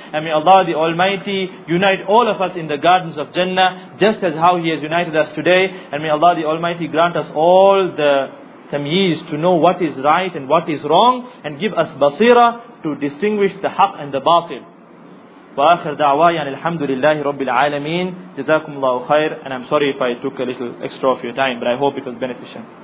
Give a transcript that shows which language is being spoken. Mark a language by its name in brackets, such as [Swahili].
[English] And may Allah the Almighty unite all of us in the gardens of Jannah, just as how He has united us today. And may Allah the Almighty grant us all the tamyiz to know what is right and what is wrong, and give us basira to distinguish the haq and the batil. [Arabic] وآخر دعواي أن الحمد لله رب العالمين جزاكم الله خير. [English] And I'm sorry if I took a little extra of your time, but I hope it was beneficial.